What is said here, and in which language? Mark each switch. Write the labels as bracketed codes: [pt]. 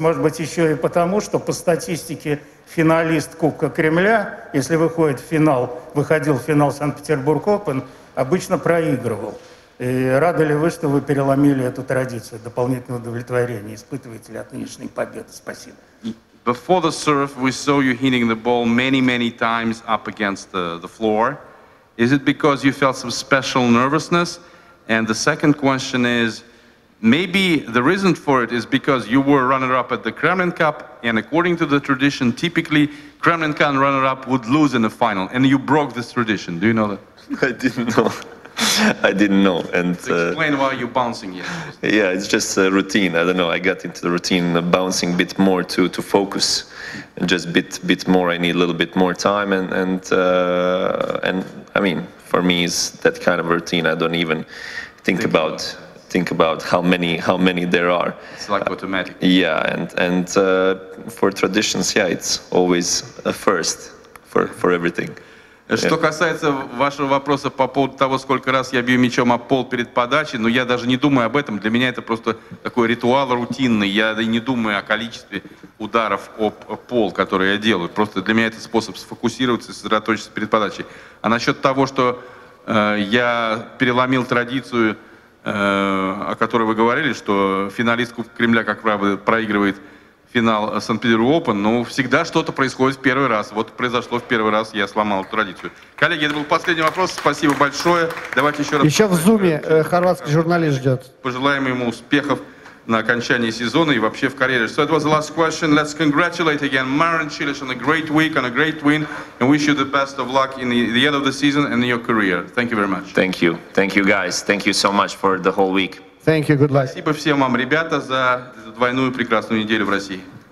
[ru] Может быть, еще и потому, что по статистике финалист Кубка Кремля, если выходит в финал, выходил в финал Санкт-Петербург Опен, обычно проигрывал. И рады ли вы, что вы переломили эту традицию? Дополнительное удовлетворение испытываете ли от нынешней победы? Спасибо. [en] Before the serve, we saw you hitting the ball many, many times up against the floor. Is it because you felt some special nervousness? And the second question is, maybe the reason for it is because you were runner-up at the Kremlin Cup, and according to the tradition, typically Kremlin Cup runner-up would lose in the final, and you broke this tradition. Do you know that? I didn't know. I didn't know. And so explain why you're bouncing here. Yeah, it's just a routine. I don't know. I got into the routine of bouncing a bit more to focus. Just bit more. I need a little bit more time. And I mean, for me, it's that kind of routine. I don't even think about how many there are. It's like automatic. Yeah, and for traditions, yeah, it's always a first for everything. [ru] Что касается вашего вопроса по поводу того, сколько раз я бью мячом о пол перед подачей, ну, я даже не думаю об этом. Для меня это просто такой ритуал рутинный. Я не думаю о количестве ударов об пол, которые я делаю. Просто для меня это способ сфокусироваться и сосредоточиться перед подачей. А насчет того, что я переломил традицию, о которой вы говорили, что финалист Кубка Кремля, как правило, проигрывает финал Санкт-Петербург Опен, но всегда что-то происходит в первый раз. Вот произошло в первый раз, я сломал эту традицию. Коллеги, это был последний вопрос, спасибо большое. Давайте еще раз. Еще в зуме хорватский журналист ждет. Пожелаем ему успехов на окончании сезона и вообще в карьере. [en] So it was the last question. Let's congratulate again Marin Cilic on a great week, on a great win, and wish you the best of luck in the end of the season and in your career. Thank you very much. Thank you. Thank you, guys. Thank you so much for the whole week. Thank you, good luck. [ru] Спасибо всем вам, ребята, за двойную прекрасную неделю в России.